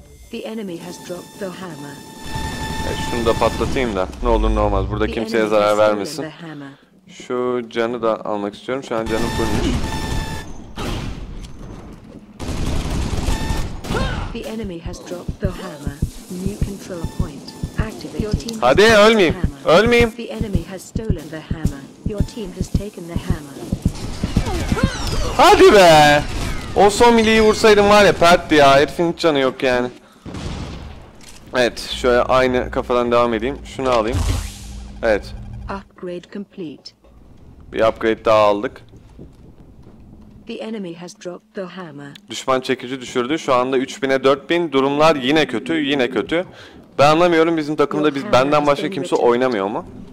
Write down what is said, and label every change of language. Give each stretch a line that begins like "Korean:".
English: The enemy has dropped the hammer.
Turkish: Evet, şunu da patlatayım da. Ne olur ne olmaz. Burada the kimseye zarar vermesin. Şu canı da almak istiyorum. Şu an canım fullmuş.
English: The enemy has dropped the hammer. New controller point activated.
Turkish: Hadi ölmeyeyim. Ölmeyeyim.
English: The enemy has stolen the hammer. Your team has taken the hammer.
Turkish: Hadi be! O son mili'yi vursaydım var ya, pertti ya. Herifin hiç canı yok yani. Evet, şöyle aynı kafadan devam edeyim. Şunu alayım. Evet.
English: Upgrade complete.
Turkish: Bir upgrade daha aldık.
English: The enemy has dropped the hammer.
Turkish: Düşman çekici düşürdü. Şu anda 3000'e 4000. Durumlar yine kötü, yine kötü. Ben anlamıyorum, bizim takımda biz benden başka kimse oynamıyor mu?